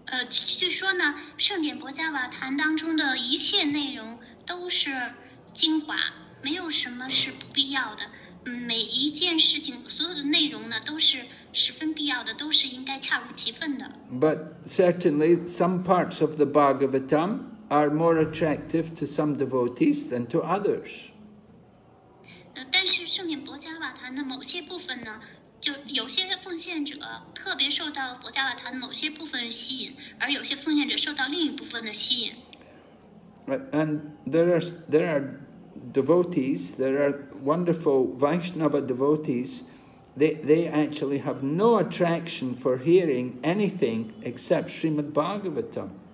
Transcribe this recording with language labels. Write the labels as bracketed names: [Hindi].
[Chinese] 据说呢，圣典伯加瓦坛当中的一切内容都是精华，没有什么是不必要的。每一件事情，所有的内容呢，都是十分必要的，都是应该恰如其分的。 [English] But certainly, some parts of the Bhagavatam are more attractive to some devotees than to others. [Chinese] 但是圣典伯加瓦坛的某些部分呢？就有些奉献者特别受到伯加瓦坛某些部分吸引，而有些奉献者受到另一部分的吸引。 [English] And there are devotees, there are wonderful Vaishnava devotees, they actually have no attraction for hearing anything except Srimad Bhagavatam.